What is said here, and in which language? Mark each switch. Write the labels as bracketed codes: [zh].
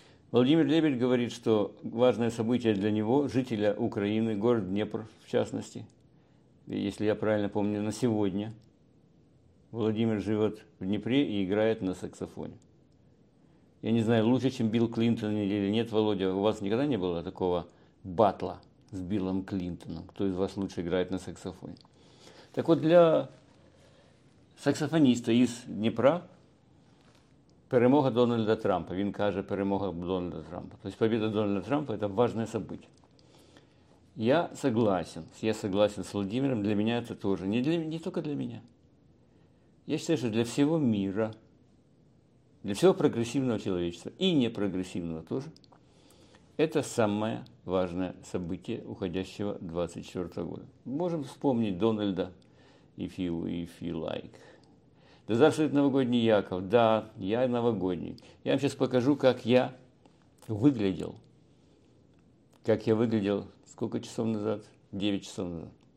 [ru] Владимир Лебедь говорит, что важное событие для него, жителя Украины, город Днепр, в частности, если я правильно помню, на сегодня. Владимир живет в Днепре и играет на саксофоне. Я не знаю, лучше, чем Билл Клинтон или нет, Володя, у вас никогда не было такого батла с Биллом Клинтоном? Кто из вас лучше играет на саксофоне? [uk] Так вот, для саксофоніста із Дніпра перемога Дональда Трампа. Він каже, перемога Дональда Трампа. Тобто побіда Дональда Трампа – це важливе событие. [ru] Я согласен [uk] з Володимиром. Для мене це теж. Не тільки для мене. Я вважаю, що для всього міра, для всього прогресивного людства і непрогресивного теж, це найважливіше [ru] событие уходящего 24-го года. [uk] Можемо вспомнити Дональда, [en] if you like. [ru] Да завтра новогодний, Яков. Да, я новогодний. Я вам сейчас покажу, как я выглядел. Как я выглядел сколько часов назад? 9 часов назад.